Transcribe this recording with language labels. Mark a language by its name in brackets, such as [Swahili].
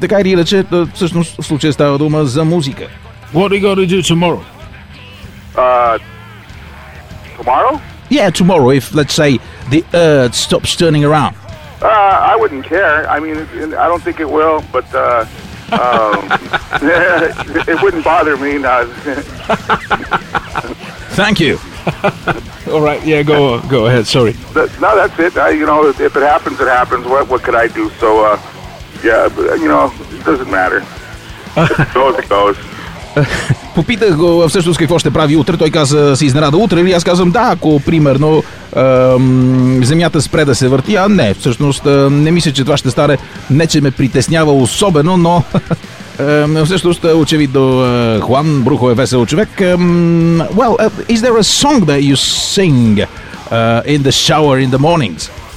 [Bulgarian] Така или иначе, всъщност в случая става дума за музика. [English] What are you going to do tomorrow? Tomorrow? Yeah, tomorrow, if, let's say, the Earth stops turning around. I wouldn't care. I mean, I don't think it will, but it wouldn't bother me. No. Thank you. All right, yeah, go ahead, sorry. No, that's it. If it happens, it happens. What could I do? So, it doesn't matter. It goes, it goes. [Bulgarian] Попитах го всъщност какво ще прави утре. Той каза, се изненада утре. И аз казвам, да, ако примерно земята спре да се върти. А не, всъщност не мисля, че това ще стане. Не, че ме притеснява особено, но всъщност очевидно Хуан Брухо е весел човек. [English] Well, is there a song that you sing in the shower in the mornings?